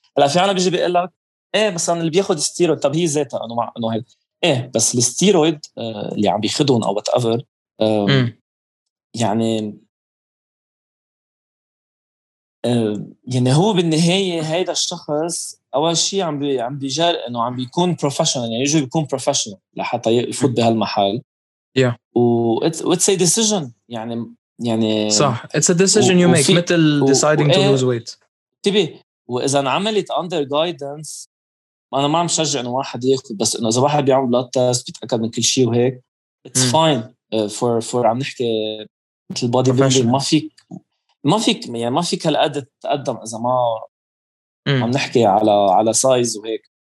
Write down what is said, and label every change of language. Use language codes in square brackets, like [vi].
[ar] هلا في عالم بيجي بيقول لك ايه مثلا اللي بياخد ستيرويد طب هي ذاتها انه مع انه هيك ايه بس الستيرويد اللي عم بياخذهم او [en] whatever [ar] يعني هو بالنهايه هيدا الشخص اول شيء عم بيجر انه عم بيكون بروفيشنال يعني يجي بيكون بروفيشنال لحتى يفوت بهالمحل [en] it's a decision [ar] يعني صح [en] it's a decision you make [ar] مثل [en] deciding to lose weight [ar] تبي واذا عملت [en] under guidance [ar] انا ما عم شجع انه واحد ياخد بس انه اذا واحد بيعمل بلاد تيست بيتاكد من كل شيء وهيك [en] it's fine for [ar] عم نحكي مثل [en] body building [ar] ما فيك يعني ما فيك هالقد تقدم اذا ما عم نحكي على سايز وهيك